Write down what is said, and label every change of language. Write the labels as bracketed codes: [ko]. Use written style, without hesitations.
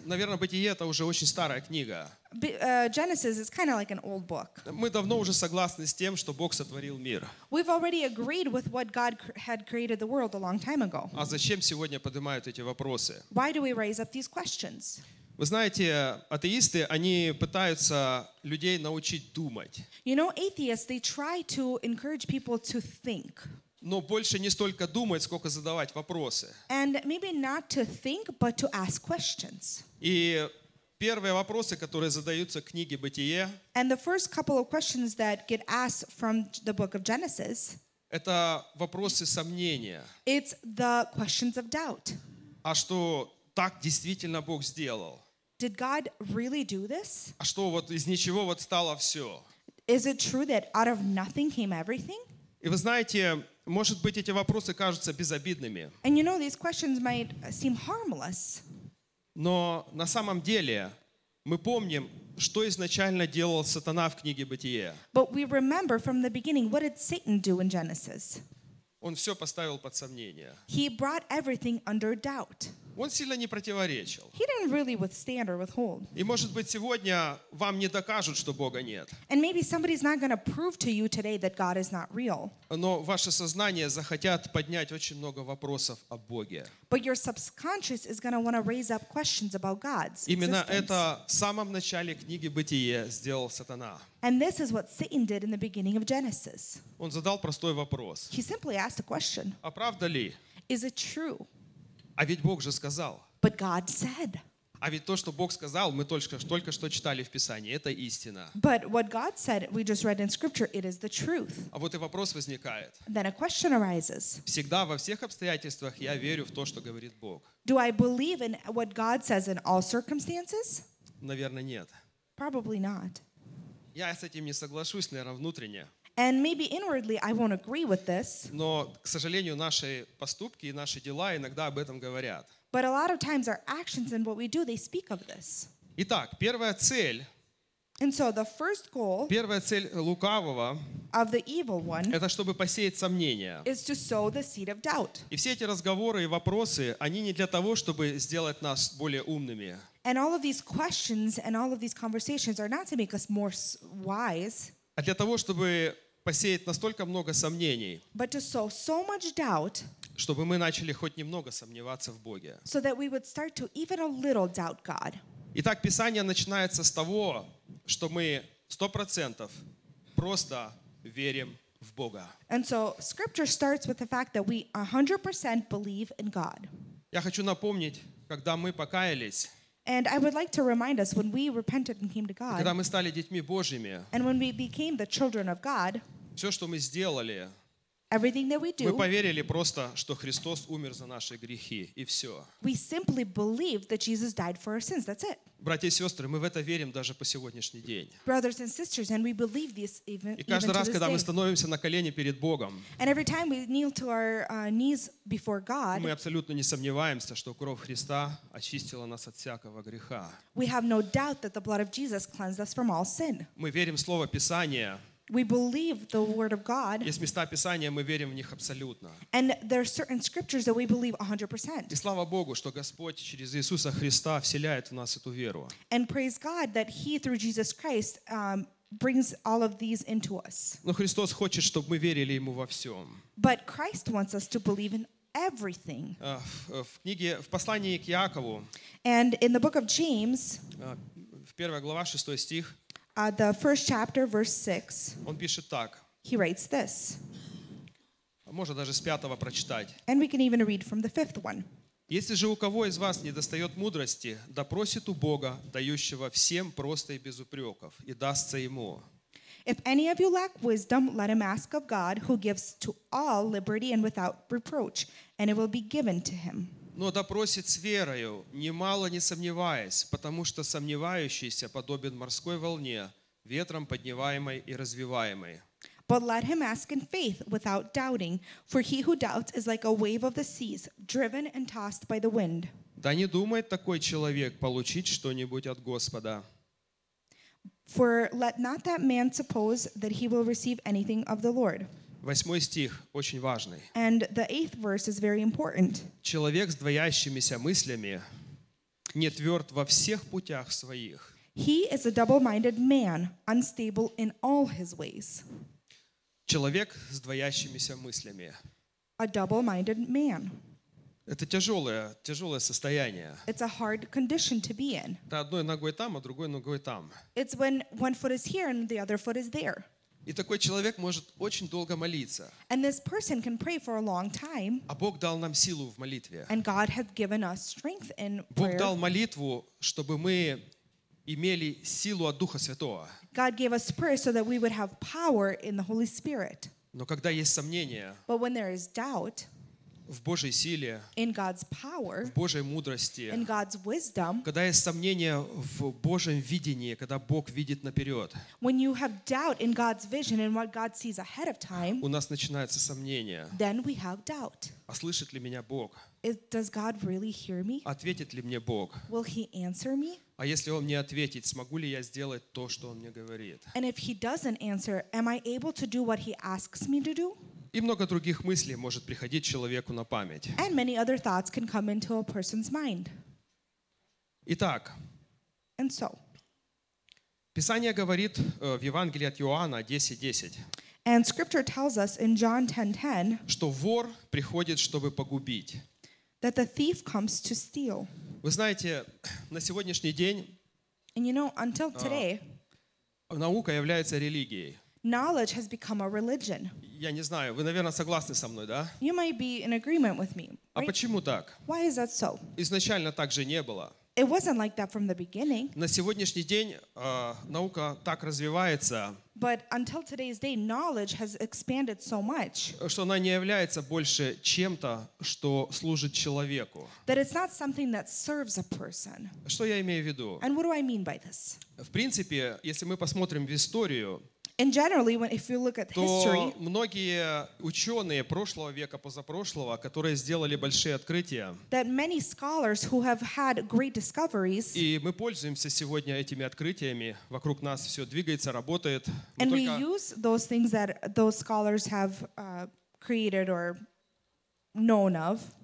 [ru] Наверное, Бытие это уже очень старая книга. [en] Genesis is kind of like an old book. [ru] Мы давно уже согласны с тем, что Бог сотворил мир. [en] We've already agreed with what God had created the world a long time ago. [ru] А зачем сегодня поднимают эти вопросы? [en] Why do we raise up these questions? [ru] Вы знаете, атеисты, они пытаются людей научить думать. [en] You know, atheists, they try to encourage people to think. [ru] Но больше не столько думать, сколько задавать вопросы. [en] And maybe not to think, but to ask questions. [ru] И первые вопросы, которые задаются книге Бытие, [en] and the first couple of questions that get asked from the book of Genesis, [ru] это вопросы сомнения. [en] It's the questions of doubt. [ru] А что так действительно Бог сделал? [en] Did God really do this? [ru] А что вот из ничего вот стало все? [en] Is it true that out of nothing came everything? [ru] И вы знаете, может быть, эти вопросы кажутся безобидными. [en] And you know, these questions might seem harmless. [ru] Но на самом деле мы помним, что изначально делал сатана в книге Бытие. [en] But we remember from the beginning, what did Satan do in Genesis? [ru] Он все поставил под сомнение. [en] He brought everything under doubt. [ru] Он сильно не противоречил. [en] He didn't really withstand or withhold. [ru] И может быть сегодня вам не докажут, что Бога нет. [en] And maybe somebody's not going to prove to you today that God is not real. [ru] Но ваше сознание захотят поднять очень много вопросов о Боге. [en] But your subconscious is going to want to raise up questions about God's existence. [ru] Именно это в самом начале книги Бытие сделал сатана. [en] And this is what Satan did in the beginning of Genesis. [ru] Он задал простой вопрос. [en] He simply asked a question. [ru] А правда ли? [en] Is it true? [ru] А ведь Бог же сказал. [en] But God said. [ru] А ведь то, что Бог сказал, мы только что читали в Писании, это истина. [en] But what God said, we just read in Scripture, it is the truth. [ru] А вот и вопрос возникает. [en] Then a question arises. [ru] Всегда во всех обстоятельствах я верю в то, что говорит Бог. [en] Do I believe in what God says in all circumstances? [ru] Наверное, нет. [en] Probably not. [ru] Я с этим не соглашусь, наверное, внутренне. [en] And maybe inwardly I won't agree with this. [ru] Но, к сожалению, наши поступки и наши дела иногда об этом говорят. [en] But a lot of times our actions and what we do, they speak of this. [ru] Итак, первая цель. [en] And so the first goal. [ru] Первая цель лукавого. [en] Of the evil one. [ru] Это чтобы посеять сомнения. [en] Is to sow the seed of doubt. [ru] И все эти разговоры и вопросы, они не для того, чтобы сделать нас более умными. [en] And all of these questions and all of these conversations are not to make us more wise. [ru] А для того, чтобы посеять настолько много сомнений, [en] but to sow so much doubt, [ru] чтобы мы начали хоть немного сомневаться в Боге. [en] So that we would start to even a little doubt God. [ru] Итак, Писание начинается с того, что мы 100% просто верим в Бога. [en] And so scripture starts with the fact that we 100% believe in God. [ru] Я хочу напомнить, когда мы покаялись, [en] and I would like to remind us when we repented and came to God. [ru] Когда мы стали детьми Божьими. [en] And when we became the children of God. [ru] Все, что мы сделали. [en] Everything that we do. [ru] Мы поверили просто, что Христос умер за наши грехи и все. [en] We simply believed that Jesus died for our sins. That's it. [ru] Братья и сестры, мы в это верим даже по сегодняшний день. [en] Brothers and sisters, and we believe this even [ru] И каждый раз, когда мы становимся на колени перед Богом. [en] And every time we kneel to our knees before God. [ru] Мы абсолютно не сомневаемся, что кровь Христа очистила нас от всякого греха. [en] We have no doubt that the blood of Jesus cleansed us from all sin. [ru] Мы верим в Слово Писания. [en] We believe the word of God. [ru] Есть места Писания, мы верим в них абсолютно. [en] And there are certain scriptures that we believe 100%. [ru] И слава Богу, что Господь через Иисуса Христа вселяет в нас эту веру. [en] And praise God that He through Jesus Christ brings all of these into us. [ru] Но Христос хочет, чтобы мы верили Ему во всем. [en] But Christ wants us to believe in everything. [ru] В книге, в послании к Иакову. [en] And in the book of James. [ru] В первая глава, 6 стих. [en] The first chapter, verse 6. [ru] Он пишет так. [en] He writes this. [ru] Можно даже с пятого прочитать. [en] And we can even read from the fifth one. [ru] Если же у кого из вас недостает мудрости, да просит у Бога, дающего всем просто и без упреков, и дастся ему. [en] If any of you lack wisdom, let him ask of God, who gives to all liberty and without reproach, and it will be given to him. [ru] Но да просит с верою, немало не сомневаясь, потому что сомневающийся подобен морской волне, ветром подниваемой и развиваемой. [en] But let him ask in faith, without doubting, for he who doubts is like a wave of the seas, driven and tossed by the wind. [ru] Да не думает такой человек получить что-нибудь от Господа. [en] For let not that man suppose that he will receive anything of the Lord. [ru] Восьмой стих очень важный. [en] And the eighth verse is very important. [ru] Человек с двоящимися мыслями не тверд во всех путях своих. [en] He is a double-minded man, unstable in all his ways. [ru] Человек с двоящимися мыслями. [en] A double-minded man. [ru] Это тяжелое состояние. [en] It's a hard condition to be in. [ru] Это одной ногой там, а другой ногой там. [en] It's when one foot is here and the other foot is there. [ru] И такой человек может очень долго молиться. [en] And this person can pray for a long time. [ru] А Бог дал нам силу в молитве. [en] And God has given us strength in prayer. [ru] Бог дал молитву, чтобы мы имели силу от Духа Святого. [en] God gave us prayer so that we would have power in the Holy Spirit. [ru] Но когда есть сомнения, [en] but when there is doubt, [ru] в Божьей силе, [en] in God's power, [ru] в Божьей мудрости, [en] in God's wisdom, [ru] когда есть сомнения в Божьем видении, когда Бог видит наперед, [en] when you have doubt in God's vision and what God sees ahead of time, [ru] у нас начинаются сомнения. [en] Then we have doubt. [ru] А слышит ли меня Бог? [en] Does God really hear me? [ru] Ответит ли мне Бог? [en] Will he answer me? [ru] А если он мне ответит, смогу ли я сделать то, что он мне говорит? [en] And if he doesn't answer, am I able to do what he asks me to do? [ru] И много других мыслей может приходить человеку на память. [en] And many other thoughts can come into a person's mind. [ru] Итак. [en] And so. [ru] Писание говорит в Евангелии от Иоанна 10:10. [en] And scripture tells us in John 10:10, [ru] что вор приходит, чтобы погубить. [en] That the thief comes to steal. [ru] Вы знаете, на сегодняшний день, [en] and you know, until today, [ru] наука является религией. [en] Knowledge has become a religion. [ru] Я не знаю, вы, наверное, согласны со мной, да? [en] You might be in agreement with me. Right? [ru] А почему так? [en] Why is that so? [ru] Изначально так же не было. [en] It wasn't like that from the beginning. [ru] На сегодняшний день наука так развивается. [en] But until today's day, knowledge has expanded so much. [ru] Что она не является больше чем-то, что служит человеку. [en] That it's not something that serves a person. [ru] Что я имею в виду? [en] And what do I mean by this? [ru] В принципе, если мы посмотрим в историю, [en] and generally, if you look at history, [ru] то многие ученые прошлого века, позапрошлого, которые сделали большие открытия, [en] that many scholars who have had great discoveries, [ru] и мы пользуемся сегодня этими открытиями, вокруг нас все двигается, работает. [en] And we use those things that those scholars have created or known of.